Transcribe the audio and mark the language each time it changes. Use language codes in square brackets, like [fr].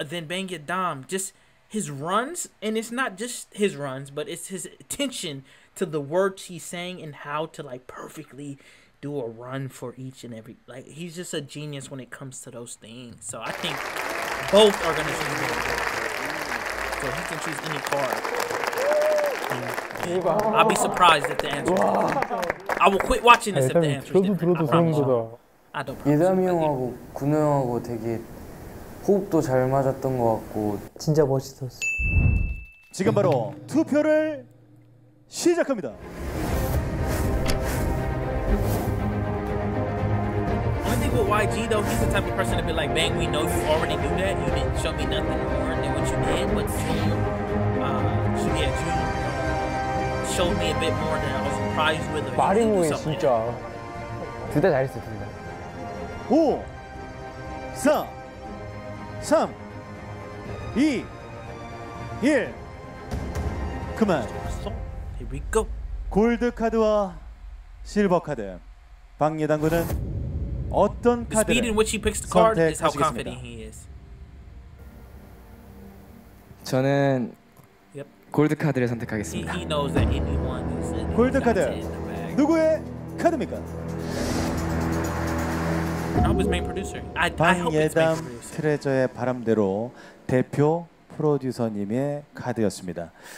[en] Then Benya Dom, just his runs, and it's not just his runs, but it's his attention to the words he's saying and how to, like, perfectly do a run for each and every, like, he's just a genius when it comes to those things. So I think both are going to sing good. So he can choose any part. I'll be surprised if the answer is good. I will quit watching this if the answer is good. I don't promise. [ko] 예담이 형하고 군우 형하고 되게 호흡도 잘 맞았던 것 같고 진짜 멋있었어. 지금 바로 투표를 시작합니다. 근데 그 [en] YG though, he's the type of person to be like, Bang, we know you already knew that. You didn't show me nothing more than what you did. But you showed me a bit more than I was surprised with. [ko] 말이 뭐야 진짜. 둘 다 잘했어 둘 다. 5, 4. 3, 2, 1. 그만. [en] Here we go. [ko] 골드 카드와 실버 카드. 박예단 군은 어떤 카드를 [en] the speed in which he picks the card is how confident he is. [ko] 저는 골드 카드를 선택하겠습니다. [en] He knows that anyone is in [ko] 골드 카드. 누구의 카드입니까? [en] I was main producer. I hope it's [ko] 트레저의 바람대로 대표 프로듀서님의 카드였습니다.